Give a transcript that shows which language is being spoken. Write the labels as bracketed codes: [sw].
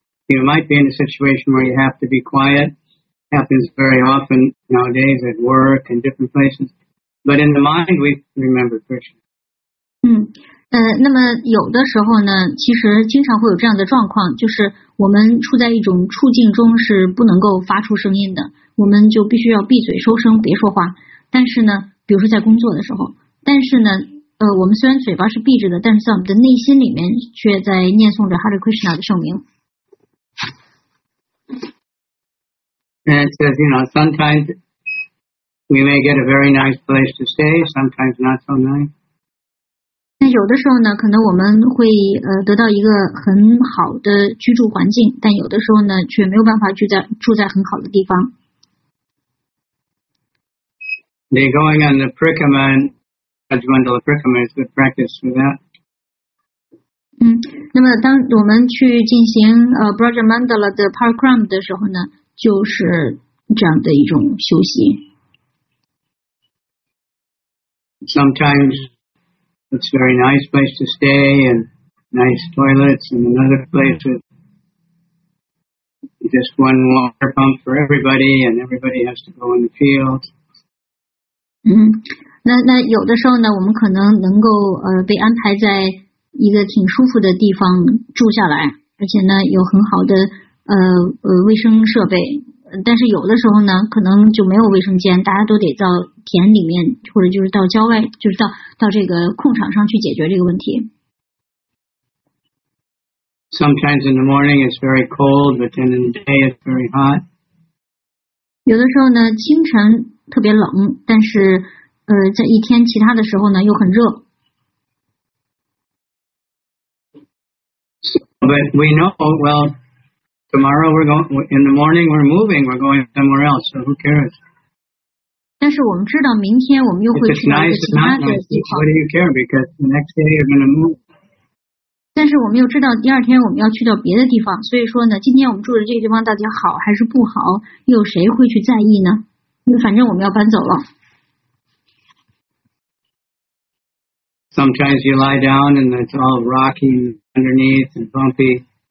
[en] You might be in a situation where you have to be quiet. Happens very often nowadays at work and different places. But in the mind, we remember Krishna. 嗯。 [zh] 那么有的时候呢，其实经常会有这样的状况，就是我们处在一种处境中是不能够发出声音的，我们就必须要闭嘴收声，别说话。但是呢，比如说在工作的时候，但是呢，我们虽然嘴巴是闭着的，但是在我们的内心里面却在念诵着 Hare Krishna 的圣名。 [en] And so, you know, sometimes we may get a very nice place to stay, sometimes not so nice. [zh] 那有的时候呢，可能我们会得到一个很好的居住环境，但有的时候呢，却没有办法住在很好的地方。 [en] They're going on the prikaman, Ajmandala prikaman is good practice for that. [zh] 那么当我们去进行Brajamandala 的 parikram 的时候呢，就是这样的一种休息。 [en] Sometimes. It's a very nice place to stay and nice toilets and another place with just one water pump for everybody and everybody has to go in the field. [zh] 那有的时候呢，我们可能能够被安排在一个挺舒服的地方住下来，而且呢有很好的卫生设备，但是有的时候呢可能就没有卫生间，大家都得到田里面或者就是到郊外，就是到这个空场上去解决这个问题。 [en] Sometimes in the morning it's very cold, but then in the day it's very hot. [zh] 有的时候呢清晨特别冷，但是在一天其他的时候呢又很热。 [en] But we know, well, Tomorrow we're going, in the morning we're moving, we're going somewhere else, so who cares? [zh] 但是我们知道明天我们又会去到一个其他的地方。 [en] What do you care? Because the next day you're going to move. [zh] 但是我们又知道第二天我们要去到别的地方，所以说呢，今天我们住的这个地方到底好还是不好，又谁会去在意呢？因为反正我们要搬走了。 [en] Sometimes you lie down and it's all rocky underneath and bumpy.